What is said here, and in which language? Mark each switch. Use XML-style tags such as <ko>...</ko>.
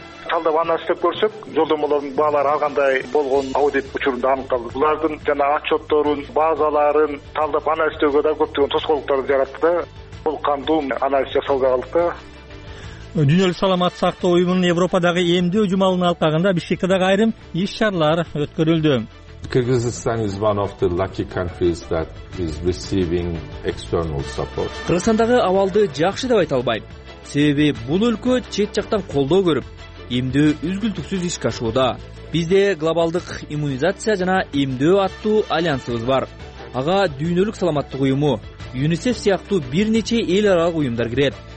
<ky>Талдап анализдеп көрсөк, жолдомолордун баалары ал кандай болгон аудит учурунда аныкталды. Булардын жана отчеттерин, базаларын талдап анализдөөгө да көптөгөн тоскоолуктарды жаратты да, бул кандуу анализ жасалды алды. Дүйнөлүк саламат сактоо уюмунун Европадагы эмдөө жумалынын алкагында Бишкекте дагы айрым иш чаралар өткөрүлдү.</ky> <en>Kyrgyzstan is one of the lucky countries that is receiving external support.</en> <ky>Кыргызстандагы абалды жакшы деп айта албайм. Себеби бул өлкө чет жактан колдоо көрүп, эмдөө үзгүлтүксүз иш ашууда. Бизде глобалдык иммунизация жана эмдөө аттуу альянсыбыз бар. Ага дүйнөлүк саламаттык уюму, UNICEF сыяктуу бир нече эл аралык уюмдар кирет.</ky>